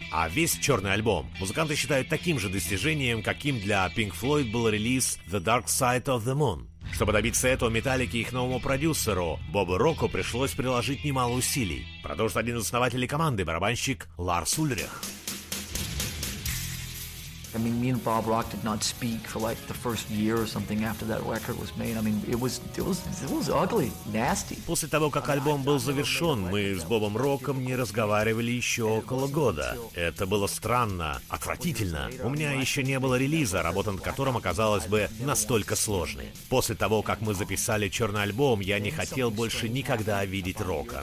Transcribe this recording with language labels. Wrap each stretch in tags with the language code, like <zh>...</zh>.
<ru>А весь черный альбом музыканты считают таким же достижением, каким для Pink Floyd был релиз «The Dark Side of the Moon». Чтобы добиться этого, Металлики и их новому продюсеру Бобу Року пришлось приложить немало усилий. Продолжит один из основателей команды, барабанщик Ларс Ульрих.</ru> <en>I mean, me and Bob Rock did not speak for like the first year or something after that record was made. I mean, it was ugly, nasty.</en> <ru>После того, как альбом был завершен, мы с Бобом Роком не разговаривали еще около года. Это было странно, отвратительно. У меня еще не было релиза, работа над которым оказалась бы настолько сложной. После того, как мы записали черный альбом, я не хотел больше никогда видеть Рока.</ru>